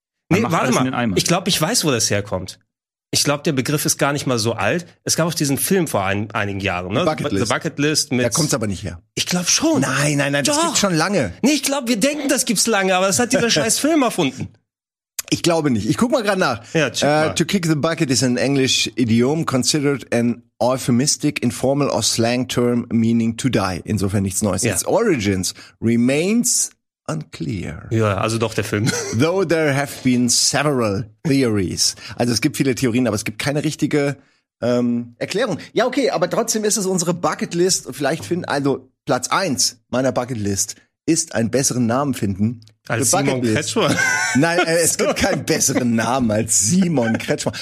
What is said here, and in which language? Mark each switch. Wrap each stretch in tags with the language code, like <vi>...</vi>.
<de>Warte mal, ich glaube, ich weiß, wo das herkommt. Ich glaube, der Begriff ist gar nicht mal so alt. Es gab auch diesen Film vor einigen Jahren, ne?</de> <en>The Bucket List.</en> <de>Mit da kommt's aber nicht her. Ich glaube schon. Nein, doch. Das gibt's schon lange. Nee, ich glaube, wir denken, das gibt's lange, aber das hat dieser scheiß Film erfunden. Ich glaube nicht. Ich guck mal gerade nach. Ja, check mal.</de> <en>To kick the bucket is an English idiom considered an euphemistic, informal or slang term meaning to die.</en> <de>Insofern nichts Neues. Ja.</de> <en>Its origins remains unclear.</en> <de>Ja, also doch der Film.</de> <en>Though there have been several theories.</en> <de>Also es gibt viele Theorien, aber es gibt keine richtige Erklärung. Ja, okay, aber trotzdem ist es unsere Bucketlist. Vielleicht finden, also Platz 1 meiner Bucketlist ist einen besseren Namen finden. Als Simon Bucketlist. Kretschmer. Nein, es gibt keinen besseren Namen als Simon Kretschmer.</de>